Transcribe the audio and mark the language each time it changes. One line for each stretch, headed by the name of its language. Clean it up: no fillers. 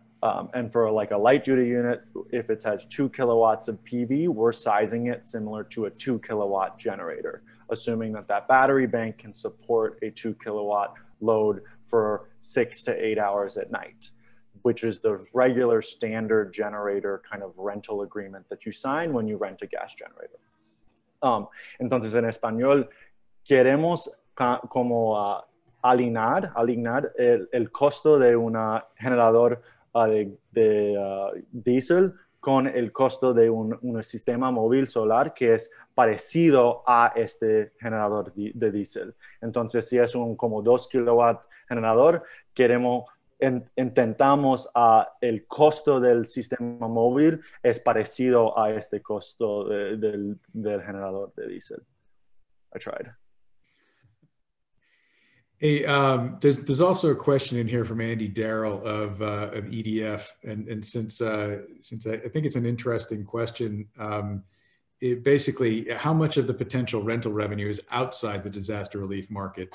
English: And for like a light-duty unit, if it has 2 kilowatts of PV, we're sizing it similar to a 2 kilowatt generator, assuming that battery bank can support a 2 kilowatt load for 6 to 8 hours at night, which is the regular standard generator kind of rental agreement that you sign when you rent a gas generator.
Spanish: Entonces, en español, queremos como alinear el costo de un generador de diesel con el costo de un sistema móvil solar que es parecido a este generador de diesel. Entonces, si es un como 2 kilowatt generador, intentamos a el costo del sistema móvil es parecido a este costo del generador de diesel.
English: I tried. Hey, there's also a question in here from Andy Darrell of EDF, and since I think it's an interesting question, it basically, how much of the potential rental revenue is outside the disaster relief market?